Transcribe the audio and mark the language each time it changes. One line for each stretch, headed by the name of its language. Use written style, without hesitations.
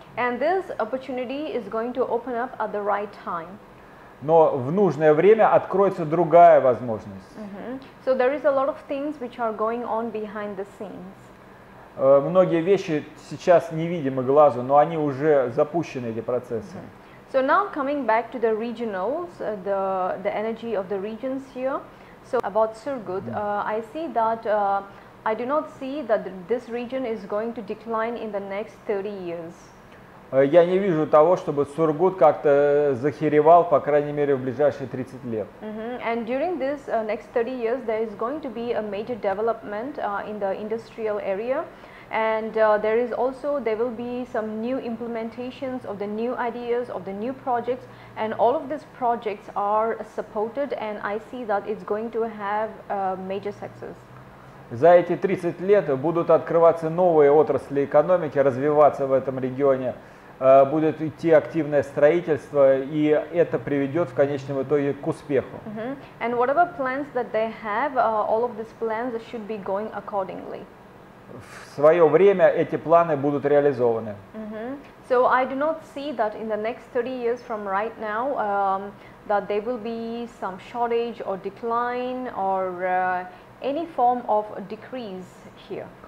English: And this opportunity is going to open up at the right time.
Russian: но в нужное время откроется другая возможность.
English: So there is a lot of things which are going on behind the scenes.
Russian: Многие вещи сейчас невидимы глазу, но они уже запущены, эти процессы.
English: So now coming back to the regionals, the energy of the regions here. So about Surgut, I see that I do not see that this region is going to decline in the next 30 years.
Russian: Я не вижу того, чтобы Сургут как-то захеревал, по крайней мере, в ближайшие 30 лет.
English: And during this next 30 years, there is going to be a major development in the industrial area. And there is also, there will be some new implementations of the new ideas, of the new projects. And all of these projects are supported, and I see that it's going to have major success.
Russian: За эти 30 лет будут открываться новые отрасли экономики, развиваться в этом регионе. Будет идти активное строительство, и это приведет в конечном итоге к успеху.
English: And whatever plans that they have, all of these plans should be going accordingly.
Russian: В свое время эти планы будут реализованы.
English: So I do not see that in the next 30 years from right now, that there will be some shortage or decline or any form of decrease here.